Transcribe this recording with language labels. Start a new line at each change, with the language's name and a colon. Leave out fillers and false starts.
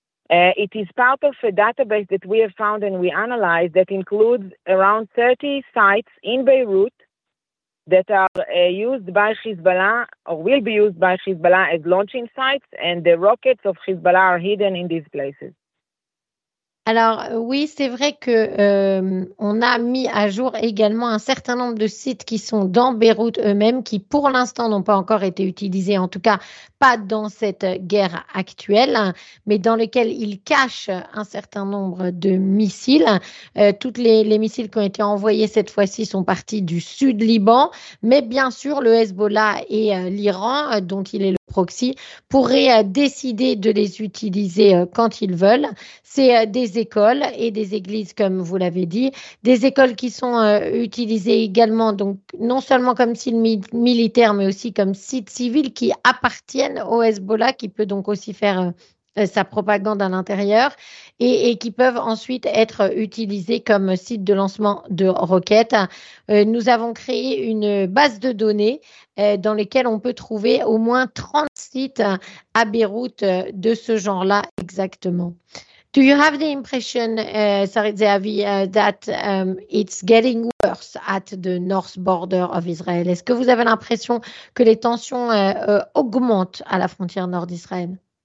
English: It is part of a database that we have found and we analyzed that includes around 30 sites in Beirut that are used by Hezbollah or will be used by Hezbollah as launching sites, and the rockets of Hezbollah are hidden in these places.
French: Alors oui, c'est vrai que on a mis à jour également un certain nombre de sites qui sont dans Beyrouth eux-mêmes, qui pour l'instant n'ont pas encore été utilisés, en tout cas pas dans cette guerre actuelle, mais dans lesquels ils cachent un certain nombre de missiles. Toutes les missiles qui ont été envoyés cette fois-ci sont partis du sud Liban, mais bien sûr le Hezbollah et l'Iran, dont il est le proxy, pourraient décider de les utiliser quand ils veulent. C'est des écoles et des églises, comme vous l'avez dit, des écoles qui sont utilisées également, donc non seulement comme site militaire, mais aussi comme site civil qui appartiennent au Hezbollah, qui peut donc aussi faire sa propagande à l'intérieur et qui peuvent ensuite être utilisés comme site de lancement de roquettes. Nous avons créé une base de données dans laquelle on peut trouver au moins 30 sites à Beyrouth de ce genre-là exactement.
English: Do you have the impression, Sarit Zehavi, that it's getting worse at the north border of Israel?
French: Est-ce que vous avez l'impression que les tensions augmentent à la frontière nord d'Israël?